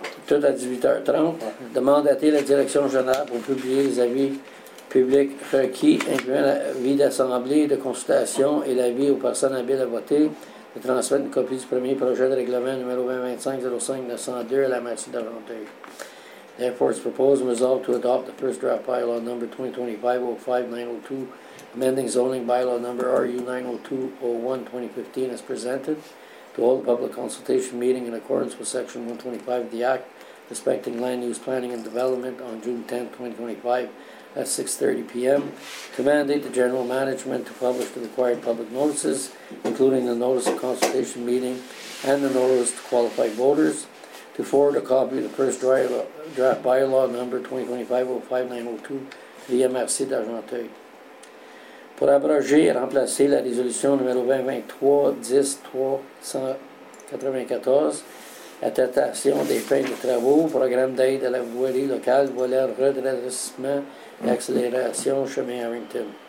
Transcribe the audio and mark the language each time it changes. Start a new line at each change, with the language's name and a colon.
French: Tout à 18h30. Ouais. Demandatez la direction générale pour publier les avis publics requis, incluant l'avis d'assemblée, de consultation et l'avis aux personnes habiles à voter, de transmettre une copie du premier projet de règlement numéro 2025-05-902 à la Mathieu d'Aventure.
English: Therefore, it's proposed and resolved to adopt the first draft bylaw number 2025-05-902, amending zoning bylaw number RU-902-01-2015 as presented, to hold a public consultation meeting in accordance with Section 125 of the Act, respecting land use planning and development on June 10, 2025 at 6:30 p.m., to mandate the general management to publish the required public notices, including the notice of consultation meeting and the notice to qualified voters, to forward a copy of the first draft bylaw number 2025-05-902 to the MRC d'Argenteuil.
French: Pour abroger et remplacer la résolution numéro 2023-10-394, attestation des fins de travaux, programme d'aide à la voirie locale, volet redressement et accélération chemin Harrington.